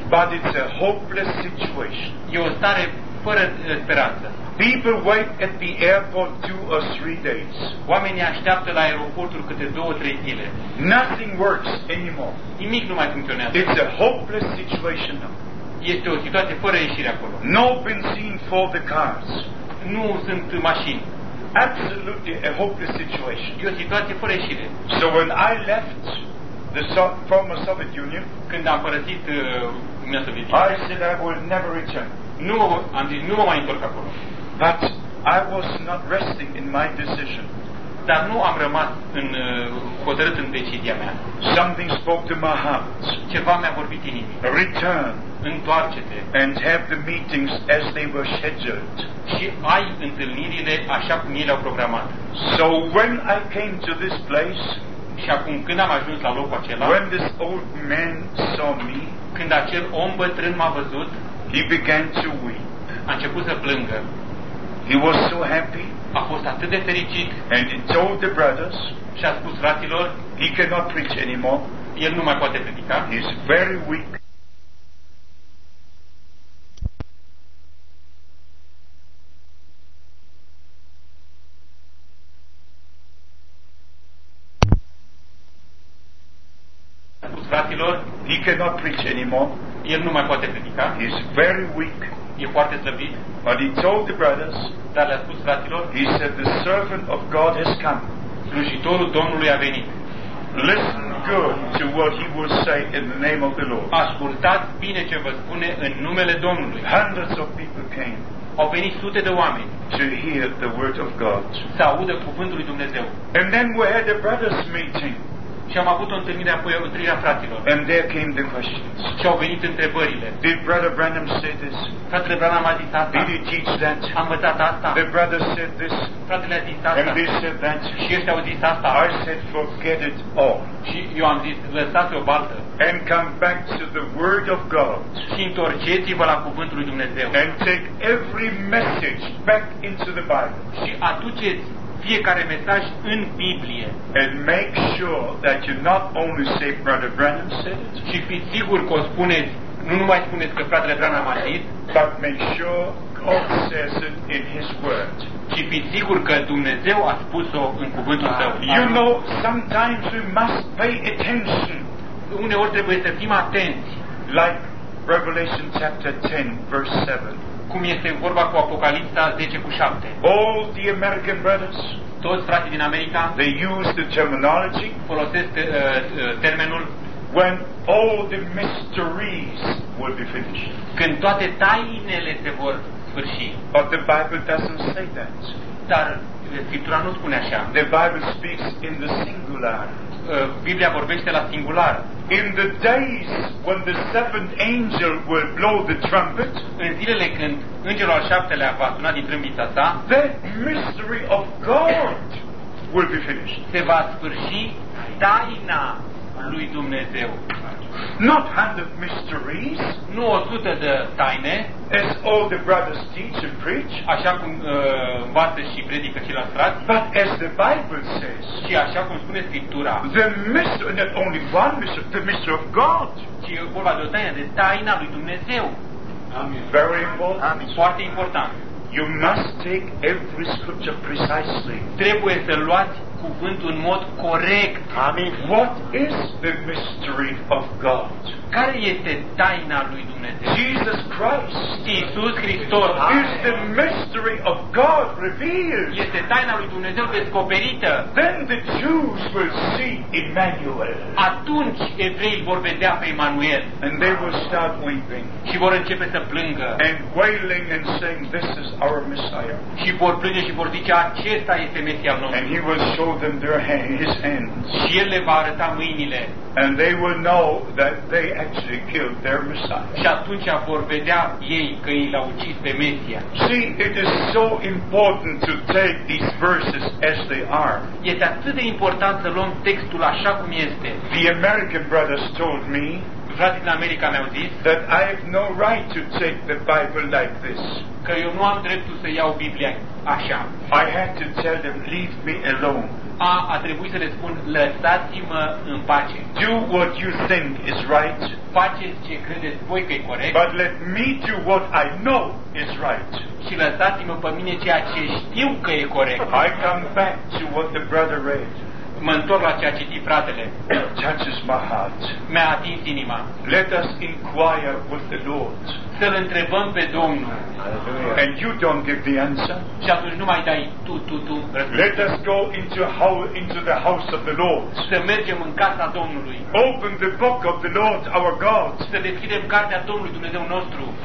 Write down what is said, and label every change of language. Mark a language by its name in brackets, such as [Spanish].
[English] But it's a hopeless situation. [Romanian] E o stare fără speranță. [English] People wait at the airport 2 or 3 days. [Romanian] Oamenii așteaptă la aeroportul câte 2-3 zile. [English] Nothing works anymore. [Romanian] Nimic nu mai funcționează. [English] It's a hopeless situation now. [Romanian] Este o situație fără ieșire acolo. [English] No benzine for the cars. [Romanian] Nu sunt mașini. [English] Absolutely a hopeless situation. [Romanian] E o situație fără ieșire. [English] So when I left the former Soviet Union, [Romanian] când am părăsit Uniunea Sovietică, [English] I said I will never return. [Romanian] Nu, am zis, nu mă mai întorc acolo. [English] But I was not resting in my decision. [Romanian] Dar nu am rămas în hotărât în decizia mea. [English] Something spoke to my heart. [Romanian] Ceva mi-a vorbit inimii. [English] Return. [Romanian] Întoarce-te. [English] And have the meetings as they were scheduled. [Romanian] Și ai întâlnirile așa cum ele au programat. [English] So when I came to this place, [Romanian] și acum când am ajuns la locul acela, [English] when this old man saw me, [Romanian] când acel om bătrân m-a văzut, [English] he began to weep. [Romanian] A început să plângă. [English] He was so happy. [Romanian] A fost atât de fericit. [English] And he told the brothers, [Romanian] și a spus fraților, [English] he cannot preach anymore. [Romanian] El nu mai poate predica. [English] He is very weak. He cannot preach anymore. [Romanian] El nu mai poate predica. [English] He is very weak. [Romanian] E foarte slăbit. [English] But he told the brothers. [Romanian] Dar le-a spus fraților. [English] He said the servant of God has come. [Romanian] Slujitorul Domnului a venit. [English] Listen good to what he will say in the name of the Lord. [Romanian] Ascultați bine ce vă spune în numele Domnului. [English] Hundreds of people came. [Romanian] Au venit sute de oameni. [English] To hear the word of God. [Romanian] Să audă cuvântul lui Dumnezeu. [English] And then we had the brothers meeting. [Romanian] Și am avut o întâlnire apoi, întâlnirea fraților. [English] And there came the questions. [Romanian] Și au venit întrebările. [English] Did Brother Branham say this? [Romanian] Fratele Branham a zis asta. [English] Did he teach that? [Romanian] A învățat asta. [English] The brother said this. [Romanian] Fratele a zis asta. [English] And they said that. [Romanian] Și ăștia au zis asta. [English] I said, forget it all. [Romanian] Și eu am zis, lăsați-o baltă. [English] And come back to the word of God. [Romanian] Și întorceți-vă la cuvântul lui Dumnezeu. [English] And take every message back into the Bible. [Romanian] Și aduceți fiecare mesaj în Biblie. [English] And make sure that you not only say Brother Branham said it. [Romanian] Și fiți sigur că o spuneți, nu numai spuneți că fratele Branham a zis, [English] but make sure God says it in his word. [Romanian] Și fiți sigur că Dumnezeu a spus-o în cuvântul său. [English] You know, sometimes we must pay attention. [Romanian] Uneori trebuie să fim atenți. [English] Like Revelation chapter 10 verse 7. [Romanian] Cum este vorba cu Apocalipsa 10:7. [English] All the American brothers, [Romanian] toți frații din America, [English] they use the terminology, [Romanian] folosesc termenul, [English] when all the mysteries will be finished. [Romanian] Când toate tainele se vor sfârși. [English] But the Bible doesn't say that. [Romanian] Dar Scriptura nu spune așa. [English] The Bible speaks in the singular. [Romanian] Biblia vorbește la singular. [English] In the days when the seventh angel will blow the trumpet, [Romanian] în zilele când îngerul al șaptelea va suna din trâmbița sa, [English] the mystery of God will be finished. [Romanian] Se va sfârși taina lui Dumnezeu. [English] Not 100 mysteries. [Romanian] Nu 100 de taine. [English] As all the brothers teach and preach. [Romanian] Așa cum învață și predică ceilalți frați. [English] But as the Bible says. [Romanian] Și așa cum spune Scriptura. [English] The mystery, not only one mystery, the mystery of God. [Romanian] Ci e vorba de o taină, de taina lui Dumnezeu. [English] Amen. Very important. [Romanian] Amen. Foarte important. [English] You must take every scripture precisely. [Romanian] Trebuie să luați cuvântul în mod corect. [English] Amen. What is the mystery of God? [Romanian] Care este taina lui Dumnezeu? [English] Jesus Christ. [Romanian] Iisus Hristos. [English] Is the mystery of God revealed? [Romanian] Este taina lui Dumnezeu descoperită. [English] Then the Jews will see Emmanuel. [Romanian] Atunci evreii vor vedea pe Emanuel. [English] And they will start weeping. [Romanian] Și vor începe să plângă. [English] And wailing and saying, this is our Messiah. [Romanian] Și vor plânge și vor zice, acesta este Mesia nostru. [English] And he will show them their hands, his hands. [Romanian] Și el le va arăta mâinile. [English] And they will know that they actually killed their Messiah. [Romanian] Și atunci vor vedea ei că ei l-au ucis pe Mesia. [English] See, it is so important to take these verses as they are. [Romanian] Este atât de important să luăm textul așa cum este. [English] The American brothers told me, [Romanian] frații din America mi-au zis, [English] that I have no right to take the Bible like this. [Romanian] Că eu nu am dreptul să iau Biblia așa. [English] I had to tell them, leave me alone. [Romanian] a trebuit să le spun, lăsați-mă în pace. [English] Do what you think is right. [Romanian] Faceți ce credeți voi că e corect. [English] But let me do what I know is right. [Romanian] Și lăsați-mă pe mine ceea ce știu că e corect. [English] I come back to what the brother read. [Romanian] Mă întorc la ceea ce zic, fratele. [English] Touches my heart. [Romanian] Mi-a atins inima. [English] Let us inquire with the Lord. [Romanian] Să-L întrebăm pe Domnul. [English] And you don't give the answer. [Romanian] Și atunci nu mai dai tu răspunsul. [English] Let us go into the house of the Lord. [Romanian] Să mergem în casa Domnului. [English] Open the book of the Lord our God. [Romanian] Să deschidem cartea Domnului Dumnezeu nostru.